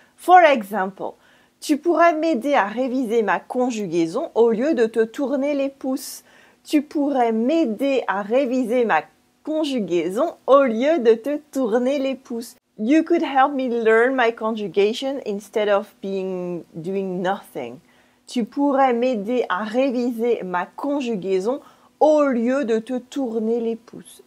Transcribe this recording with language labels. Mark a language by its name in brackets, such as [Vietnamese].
[English] For example, [French] tu pourrais m'aider à réviser ma conjugaison au lieu de te tourner les pouces. Tu pourrais m'aider à réviser ma conjugaison au lieu de te tourner les pouces. [English] You could help me learn my conjugation instead of being doing nothing. [French] Tu pourrais m'aider à réviser ma conjugaison au lieu de te tourner les pouces.